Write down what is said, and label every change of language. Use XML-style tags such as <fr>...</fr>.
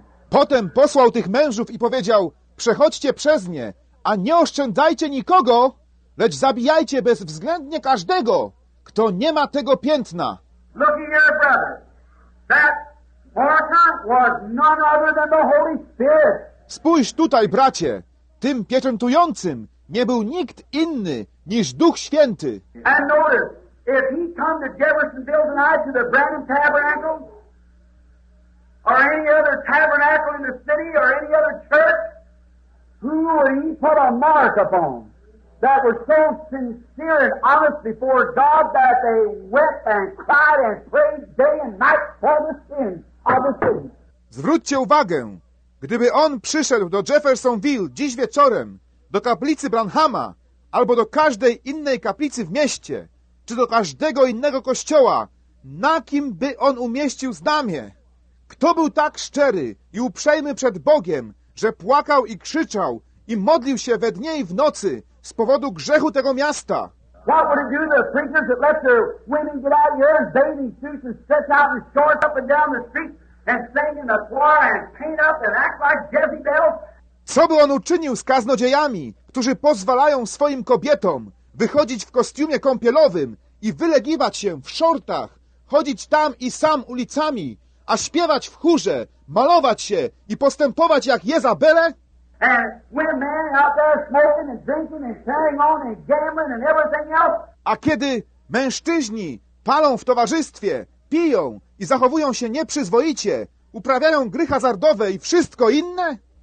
<pl>Potem posłał tych mężów i powiedział, przechodźcie przez nie, a nie oszczędzajcie nikogo, lecz zabijajcie bezwzględnie każdego, kto nie ma tego piętna.</pl> <en>Look here, brother. That marker was none other than the Holy Spirit.</en> <pl>Spójrz tutaj, bracie. Tym pieczętującym nie był nikt inny niż Duch Święty.</pl> <en>And notice, if he come to Jeffersonville tonight to the Branham Tabernacle, or any other tabernacle in the city, or any other church, who would he put a mark upon that was so sincere and honest before God that they wept and cried and prayed day and night for the sins of the city?</en> <pl>Zwróćcie uwagę. Gdyby on przyszedł do Jeffersonville dziś wieczorem, do kaplicy Branhama, albo do każdej innej kaplicy w mieście, czy do każdego innego kościoła, na kim by on umieścił znamie? Kto był tak szczery i uprzejmy przed Bogiem, że płakał i krzyczał i modlił się we dnie i w nocy z powodu grzechu tego miasta?</pl> <en>What would it do to the preachers that let their women get out here and bathing suits and stretch out their shorts up and down the street? And sing in the choir and paint up and act like Jesse Bell.</en> <pl>Co by on uczynił z kaznodziejami, którzy pozwalają swoim kobietom wychodzić w kostiumie kąpielowym i wylegiwać się w szortach, chodzić tam i sam ulicami, a śpiewać w chórze, malować się i postępować jak Jezabele?</pl> <en>And when men out there smoking and drinking and carrying on and gambling and everything else.</en> <pl>A kiedy mężczyźni palą w towarzystwie, piją i zachowują się nieprzyzwoicie, uprawiają gry hazardowe i wszystko inne?</pl>